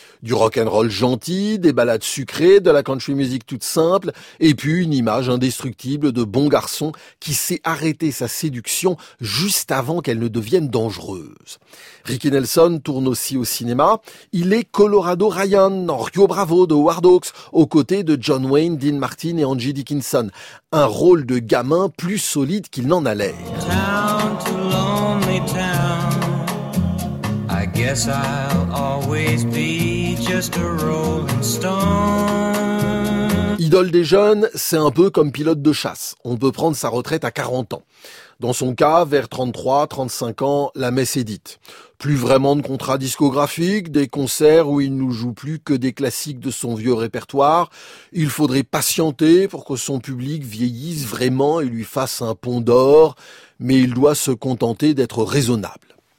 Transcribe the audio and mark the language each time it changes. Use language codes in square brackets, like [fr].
[fr] Du rock'n'roll gentil, des ballades sucrées, de la country music toute simple, et puis une image indestructible de bon garçon qui sait arrêter sa séduction juste avant qu'elle ne devienne dangereuse. Ricky Nelson tourne aussi au cinéma. Il est Colorado Ryan dans Rio Bravo de Ward Oaks, aux côtés de John Wayne, Dean Martin et Angie Dickinson. Un rôle de gamin plus solide qu'il n'en a l'air. [en] Town to lonely town. I guess I'll always be just a rolling stone. [fr] Idole des jeunes, c'est un peu comme pilote de chasse. On peut prendre sa retraite à 40 ans. Dans son cas, vers 33, 35 ans, la messe est dite. Plus vraiment de contrat discographique, des concerts où il ne joue plus que des classiques de son vieux répertoire. Il faudrait patienter pour que son public vieillisse vraiment et lui fasse un pont d'or, mais il doit se contenter d'être raisonnable.